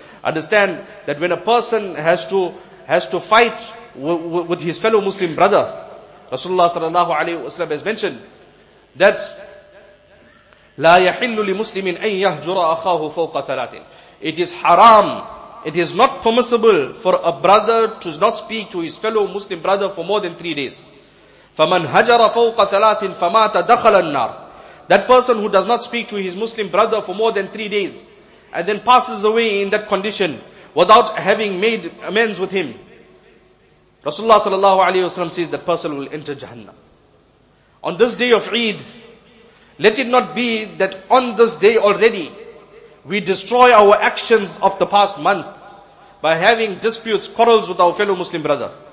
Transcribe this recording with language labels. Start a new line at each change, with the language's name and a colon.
English: Understand that when a person has to fight with his fellow Muslim brother, Rasulullah sallallahu alayhi wa sallam has mentioned that
Arabic: لا يحل لمسلم أن يهجر أخاه فوق ثلاث.
English: It is haram. It is not permissible for a brother to not speak to his fellow Muslim brother for more than 3 days.
Arabic: فمن هجر فوق ثلاث فمات دخل النار.
English: That person who does not speak to his Muslim brother for more than 3 days and then passes away in that condition without having made amends with him, Rasulullah sallallahu alayhi wa sallam says that person will enter Jahannam. On this day of Eid, let it not be that on this day already, we destroy our actions of the past month by having disputes, quarrels with our fellow Muslim brother.